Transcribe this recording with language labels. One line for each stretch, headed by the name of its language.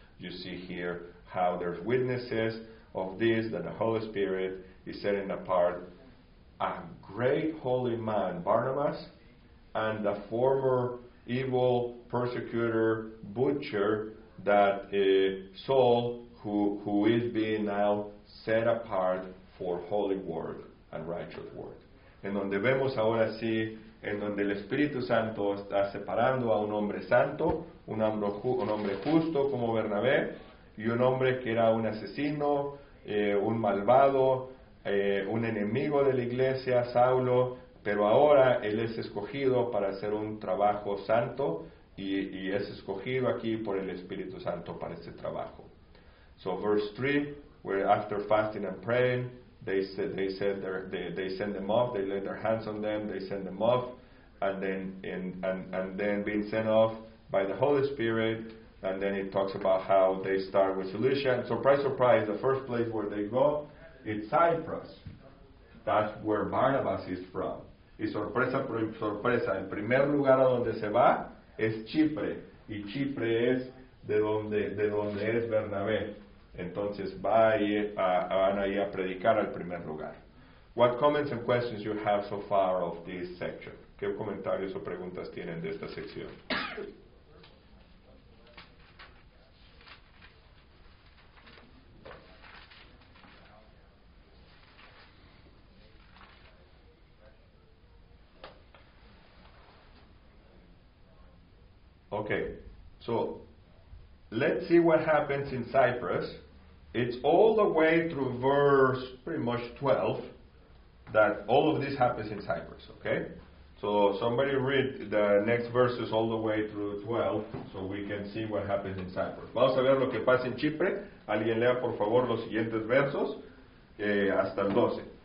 English: You see here how there's witnesses of this, that the Holy Spirit is setting apart a great holy man, Barnabas, and the former evil persecutor, butcher, that Saul, who is being now set apart for holy work and righteous work.
Spanish: En donde vemos ahora sí, en donde el Espíritu Santo está separando a un hombre santo, un hombre justo como Bernabé, y un hombre que era un asesino, un malvado, un enemigo de la iglesia, Saulo, pero ahora él es escogido para hacer un trabajo santo, y es escogido aquí por el Espíritu Santo para este trabajo.
English: So verse 3, where after fasting and praying, they send them off, they laid their hands on them, they send them off, and then being sent off, by the Holy Spirit, and then it talks about how they start with Cilicia. And surprise, surprise, the first place where they go is Cyprus. That's where Barnabas is from.
Spanish: Y sorpresa, sorpresa, el primer lugar a donde se va es Chipre. Y Chipre es de donde es Bernabé. Entonces van ahí a predicar al primer lugar.
English: What comments and questions you have so far of this section?
Spanish: ¿Qué comentarios o preguntas tienen de esta sección?
English: Okay, so let's see what happens in Cyprus. It's all the way through verse pretty much 12 that all of this happens in Cyprus, okay? So somebody read the next verses all the way through 12 so we can see what happens in Cyprus.
Spanish: Vamos a ver lo que pasa en Chipre. Alguien lea por favor los siguientes versos hasta el 12.